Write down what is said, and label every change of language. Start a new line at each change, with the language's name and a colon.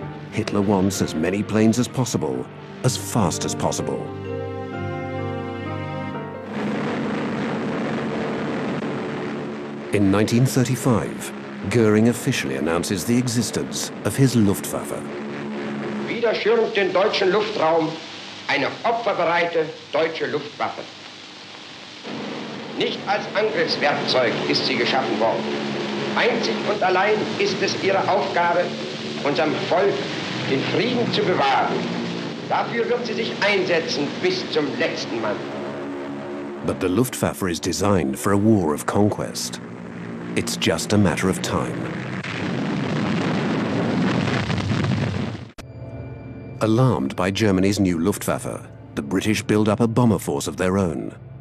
English: Hitler wants as many planes as possible, as fast as possible. In 1935, Göring officially announces the existence of his Luftwaffe.
German: Wieder schirmt den deutschen Luftraum eine opferbereite deutsche Luftwaffe. Nicht als Angriffswerkzeug ist sie geschaffen worden. Einzig und allein ist es ihre Aufgabe, unserem Volk den Frieden zu bewahren. Dafür wird sie sich einsetzen bis zum letzten Mann.
English: But the Luftwaffe is designed for a war of conquest. It's just a matter of time. Alarmed by Germany's new Luftwaffe, the British build up a bomber force of their own.